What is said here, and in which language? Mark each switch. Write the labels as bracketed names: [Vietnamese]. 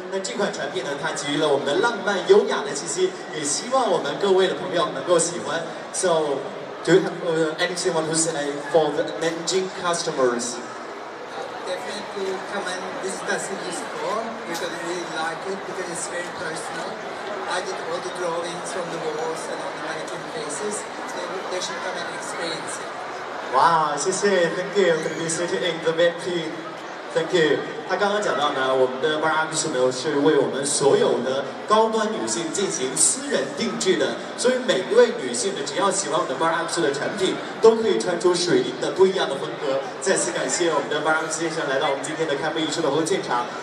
[Chinese] 那这款产品呢，它给予了我们的浪漫优雅的气息，也希望我们各位的朋友能够喜欢。 [English] So, do you have anything want to say for the Nanjing customers? Definitely come and visit us in the store because we like it, because it's very personal. I did all the drawings from the walls and all the mannequin faces. They should come and experience it. Wow, [Chinese] 谢谢 [English] ，Thank you for being sitting in the VIP. Thank you. [Chinese] 他刚刚讲到呢，我们的 Maxo 呢是为我们所有的高端女性进行私人定制的，所以每一位女性呢，只要喜欢我们的 Maxo 的产品，都可以穿出水灵的不一样的风格。再次感谢我们的 Maxo 先生来到我们今天的开幕仪式的活动现场。